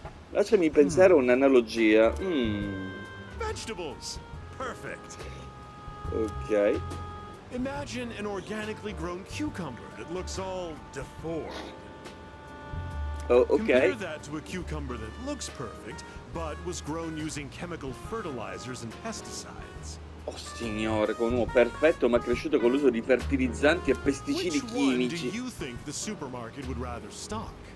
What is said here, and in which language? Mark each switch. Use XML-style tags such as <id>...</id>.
<it>Lasciami pensare a un'analogia.</it> <en>Vegetables. Perfect. Ok. Imagine an organically grown cucumber that looks all deformed. Oh, okay. Compare that to a cucumber that looks perfect, but was grown using chemical fertilizers and pesticides.</en> <it>Oh signore, con uno perfetto ma cresciuto con l'uso di fertilizzanti e pesticidi chimici.</it> <en>Which one do you think the supermarket would rather stock?</en>